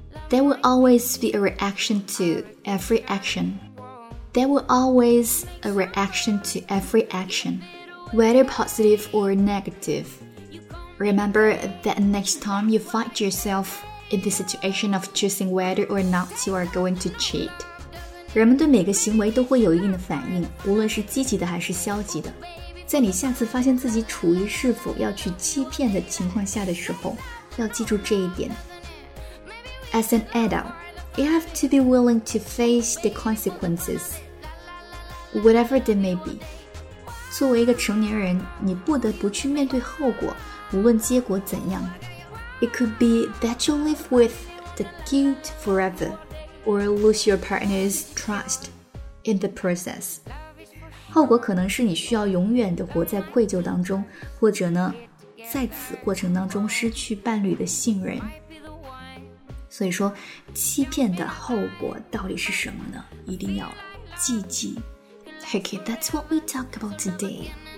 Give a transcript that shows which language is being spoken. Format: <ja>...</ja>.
<en>There will always be a reaction to every action。 There will always be a reaction to every action, whether positive or negative. Remember that next time you find yourself in the situation of choosing whether or not you are going to cheat.</en> <zh>人们对每个行为都会有一定的反应，无论是积极的还是消极的。在你下次发现自己处于是否要去欺骗的情况下的时候，要记住这一点。</zh> <en>As an adult, you have to be willing to face the consequences. Whatever they may be.</en> <zh>作为一个成年人，你不得不去面对后果，无论结果怎样。</zh> <en>It could be that you live with the guilt forever, or lose your partner's trust in the process.</en> <zh>后果可能是你需要永远地活在愧疚当中，或者呢，在此过程当中失去伴侣的信任。所以说，欺骗的后果到底是什么呢？一定要记记。</zh> <en>Okay, that's what we talk about today.</en>